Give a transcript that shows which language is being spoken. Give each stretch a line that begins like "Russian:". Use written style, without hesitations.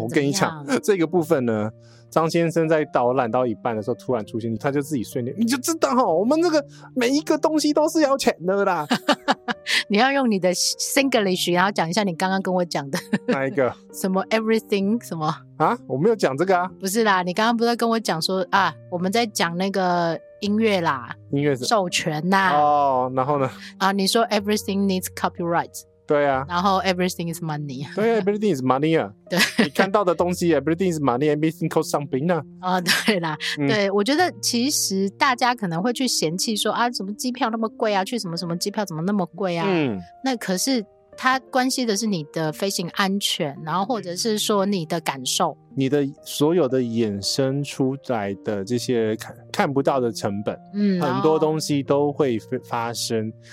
Chinese: 我跟你讲这个部分呢，张先生在导览到一半的时候突然出现，他就自己睡念，你就知道齁，我们这个每一个东西都是要钱的啦。你要用你的 Singlish 然后讲一下你刚刚跟我讲的哪一个什么 everything 什么啊？我没有讲这个啊。不是啦，你刚刚不是跟我讲说啊，我们在讲那个音乐啦，音乐授权啦、然后呢啊，你说 everything needs copyright。对啊，
English: 然后 everything is money。对啊， everything is money 啊。
Chinese: 对，你看到的东西 everything is money， everything costs something 啊。对啦、对，我觉得其实大家可能会去嫌弃说啊，什么机票那么贵啊，去什么什么机票怎么那么贵啊。那可是它关系的是你的飞行安全，然后或者是说你的感受，你的所有的衍生出来的这些 看不到的成本、很多东西都会发生。